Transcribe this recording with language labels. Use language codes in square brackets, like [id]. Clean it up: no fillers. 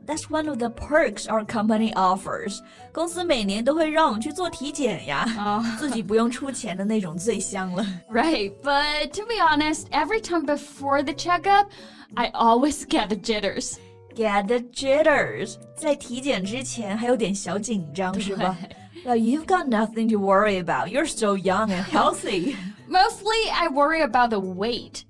[en] That's one of the perks our company offers. [zh] 公司每年都会让我们去做体检呀。自己不用出钱的那种最香了。 [en] Right, but to be honest, every time before the checkup, I always get the jitters. Get the jitters. [zh] 在体检之前还有点小紧张是吧 [en] Well, you've got nothing to worry about. You're so young and healthy. Mostly, I worry about the weight.